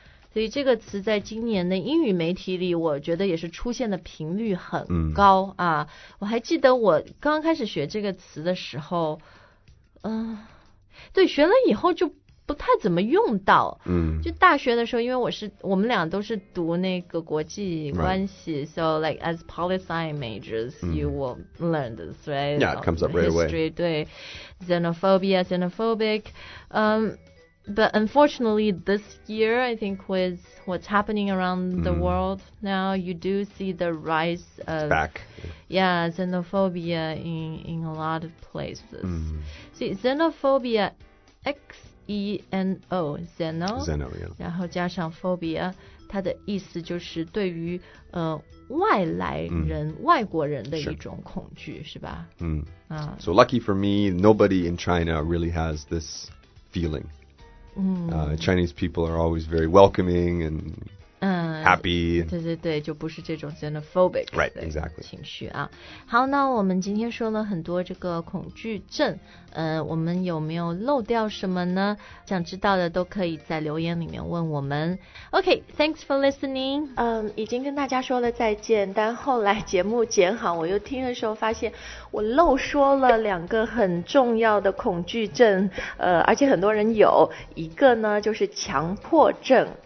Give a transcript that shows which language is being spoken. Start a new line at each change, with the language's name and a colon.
Chinese: 所以这个词在今年的英语媒体里我觉得也是出现的频率很高啊。我还记得我刚开始学这个词的时候对学了以后就不太怎么用到就大学的时候因为我们俩都是读那个国际关系、
English: right. So like as policy majors you will learn this right yeah it comes up right history, away 对 xenophobia xenophobic But unfortunately, this year, I think with what's happening around the world now, you do see the rise of xenophobia in a lot of places. See, xenophobia, X-E-N-O, xeno, xeno, yeah.
Chinese: 然后加上 phobia, 它的意思就是对于外来人、外国人的一种恐惧、
English: sure.
Chinese: 是吧、
English: So lucky for me, nobody in China really has this feeling. Chinese people are always very welcoming and happy.
Chinese: 对对对，就不是这种 xenophobic
English: right, exactly.
Chinese: 情绪啊。好，那我们今天说了很多这个恐惧症，我们有没有漏掉什么呢？想知道的都可以在留言里面问我们。
English: Okay, thanks for listening.
Chinese: 已经跟大家说了再见，但后来节目剪好，我又听的时候发现我漏说了两个很重要的恐惧症，而且很多人有一个呢，就是强迫症。